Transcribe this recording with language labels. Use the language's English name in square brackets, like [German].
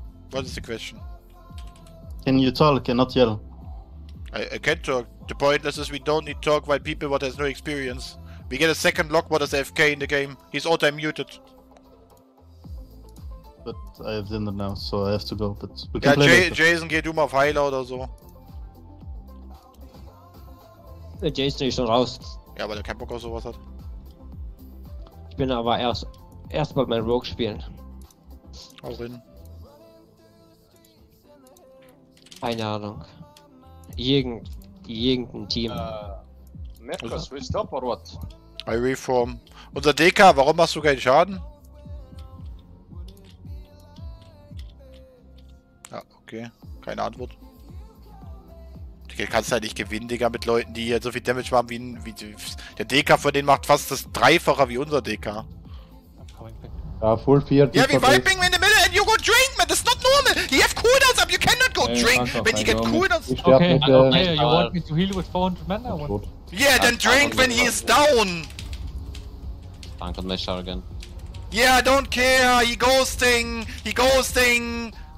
[English] What is the question? Can you talk and not yell? I can talk. The point is we don't need talk while people what has no experience. We get a second lock, what is AFK in the game? He's auto-muted. But I have dinner now, so I have to go, but... We can play later. [German] Jason, geh du mal auf Heiler oder so. Der Jason ist schon raus. Ja, weil er keinen Bock auf sowas hat. Ich bin aber erst mal mein Rogue spielen. Hau rein. Keine Ahnung. Irgendein Team. [English] Also. I reform. [German] Unser DK, warum machst du keinen Schaden? Ja, okay. Keine Antwort. Du kannst halt nicht gewinnen, Digga, mit Leuten, die hier so viel Damage machen wie, der DK von denen macht fast das Dreifache wie unser DK. Ja, full 4. [English] Yeah, we're vibing in the middle and you go drink, man. That's not normal. You have cooldowns up, you cannot go drink. When you get cooldowns. Okay, you want me to heal with 400 mana? Yeah, then drink when he is down. Thank God, Meshar again. Yeah, I don't care. He ghosting. He ghosting.